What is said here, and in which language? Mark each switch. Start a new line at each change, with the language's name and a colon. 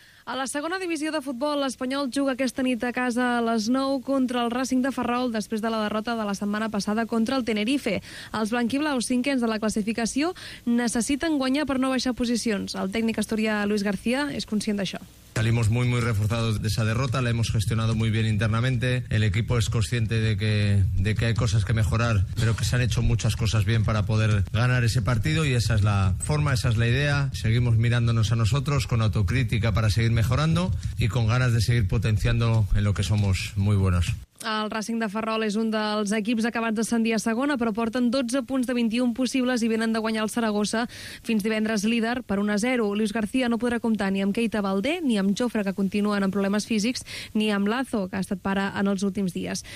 Catalan: A la segona divisió de futbol, l'Espanyol juga aquesta nit a casa a les 9 contra el Racing de Ferrol després de la derrota de la setmana passada contra el Tenerife. Els blanquiblaus, cinquens de la classificació, necessiten guanyar per no baixar posicions. El tècnic asturià Luis García és conscient d'això.
Spanish: Salimos muy, muy reforzados de esa derrota, la hemos gestionado muy bien internamente. El equipo es consciente de que hay cosas que mejorar, pero que se han hecho muchas cosas bien para poder ganar ese partido y esa es la forma, esa es la idea. Seguimos mirándonos a nosotros con autocrítica para seguir mejorando y con ganas de seguir potenciando en lo que somos muy buenos.
Catalan: El Racing de Ferrol és un dels equips acabats d'ascendir a segona, però porten 12 punts de 21 possibles i venen de guanyar el Saragossa fins divendres líder per 1-0. Luis García no podrà comptar ni amb Keita Valdé, ni amb Jofre, que continuen amb problemes físics, ni amb Lazo, que ha estat pare en els últims dies.